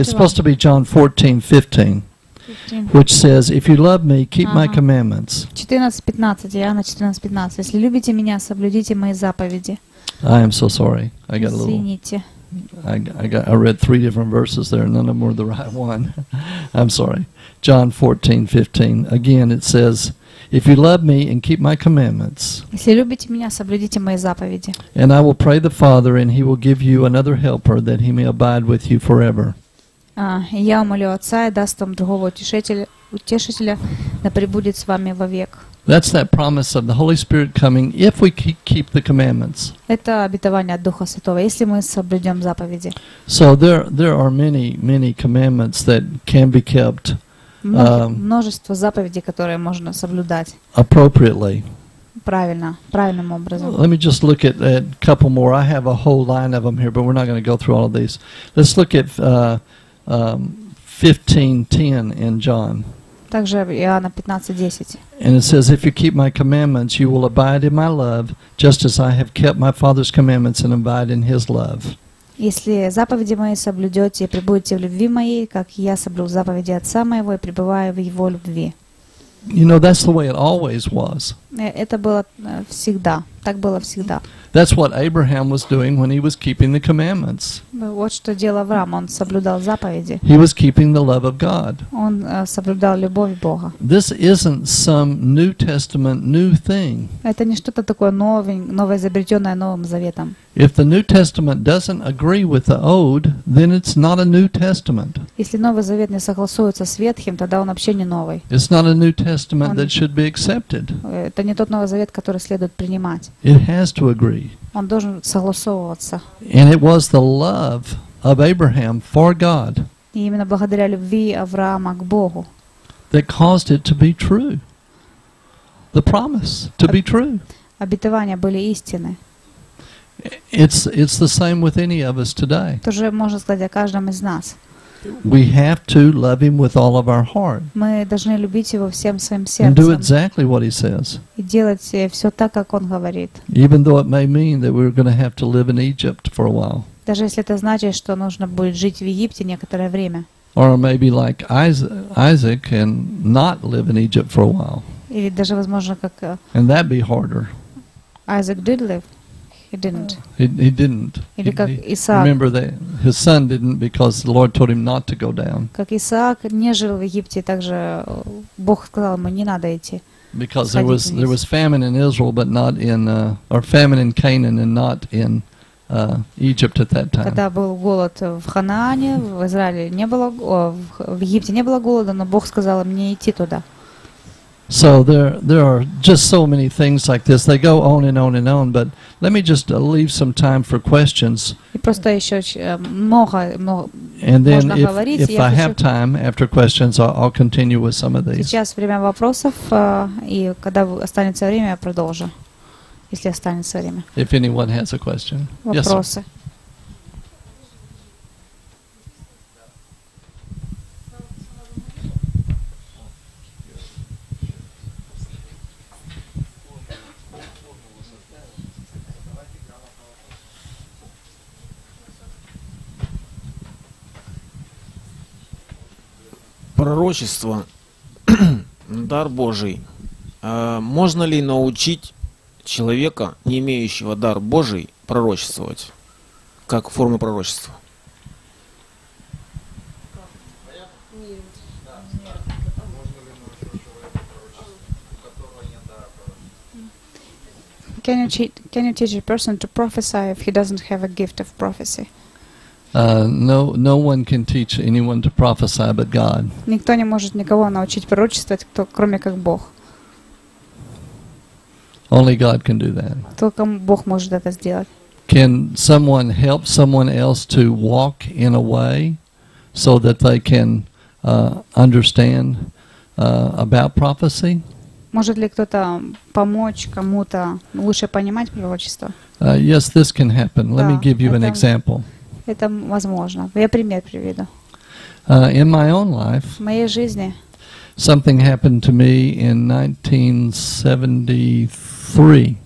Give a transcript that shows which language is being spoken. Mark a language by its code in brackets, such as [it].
[en] It's supposed to be John 14:15, which says, if you love me, keep my commandments. [ru] 14:15, Иоанна 14:15. Если любите меня, соблюдите мои заповеди. [en] I am so sorry. I got [ru] Извините. [en] A little. I read three different verses there, none of them were the right one. I'm sorry. John 14:15. Again, it says, "If you love me and keep my commandments." [ru] Если любите меня, соблюдите мои заповеди. [en] And I will pray the Father, and He will give you another Helper, that He may abide with you forever. [ru] Я умолю Отца и даст вам другого утешителя, да пребудет с вами вовек. [en] That's that promise of the Holy Spirit coming if we keep the commandments. [ru] Это обетование от Духа Святого, если мы соблюдем заповеди. [en] So there are many, many commandments that can be kept. [ru] Множество заповедей, которые можно соблюдать. [en] Appropriately. [ru] Правильно, правильным образом. [en] Let me just look at a couple more. I have a whole line of them here, but we're not going to go through all of these. Let's look at 15:10 in John. [ru] Также Иоанна 15:10. [en] And it says, if you keep my commandments, you will abide in my love, just as I have kept my Father's commandments and abide in his love. [ru] Если заповеди мои соблюдете и пребудете в любви моей, как я соблюл заповеди Отца моего и пребываю в его любви. [en] You know, that's the way it always was. [ru] Это было всегда. Так было всегда. [en] That's what Abraham was doing when he was keeping the commandments. [ru] Вот что делал Авраам, он соблюдал заповеди. [en] He was keeping the love of God. [ru] Он соблюдал любовь Бога. [en] This isn't some New Testament new thing. [ru] Это не что-то такое новое изобретенное Новым Заветом. [en] If the New Testament doesn't agree with the Old, then it's not a New Testament. [ru] Если Новый Завет не согласуется с Ветхим, тогда он вообще не новый. [en] It's not a New Testament that should be accepted. [ru] Это не тот Новый Завет, который следует принимать. [en] It has to agree. [ru] Он должен согласовываться. [en] And it was the love of Abraham for God. [ru] И именно благодаря любви Авраама к Богу. [en] That caused it to be true. The promise to be true. [ru] Обетования были истины. [en] It's the same with any of us today. [ru] Тоже можно сказать о каждом из нас. [en] We have to love him with all of our heart. [ru] Мы должны любить его всем своим сердцем. [en] And do exactly what he says. [ru] И делать все так, как он говорит. [en] Even though it may mean that we're going to have to live in Egypt for a while. [ru] Даже если это значит, что нужно будет жить в Египте некоторое время. [en] Or maybe like Isaac and not live in Egypt for a while. [ru] Или даже возможно как. [en] And that'd be harder. Isaac did live. He didn't. He didn't. Remember that his son didn't because the Lord told him not to go down. [ru] Как Исаак не жил в Египте, также Бог сказал ему не надо идти. [en] Because there was famine in Israel, but not in or famine in Canaan and not in Egypt at that time. [ru] Когда был голод в Ханаане, в Израиле не было, в Египте не было голода, но Бог сказал им не идти туда. [en] So there are just so many things like this. They go on and on and on. But let me just leave some time for questions. [ru] И просто еще много можно говорить. [en] And then if I have time after questions, I'll continue with some of these. [ru] Сейчас время вопросов, и когда останется время, я продолжу, если останется время. [en] If anyone has a question. [ru] Вопросы. [en] Yes, [ru] пророчество, дар Божий, Можно ли научить человека, не имеющего дар Божий, пророчествовать как форму пророчества? [en] Can you teach a person to prophesy if he doesn't have a gift of prophecy? No one can teach anyone to prophesy but God. [ru] Никто не может никого научить пророчествовать, кто, кроме как Бог. [en] Only God can do that. [ru] Только Бог может это сделать. [en] Can someone help someone else to walk in a way so that they can understand about prophecy? [ru] Может ли кто-то помочь кому-то лучше понимать пророчество? [en] Yes, this can happen. Let me give you an example. [ru] Это возможно. Я пример приведу. [en] In my own life, [ru] в моей жизни, [en] something happened to me in 1973.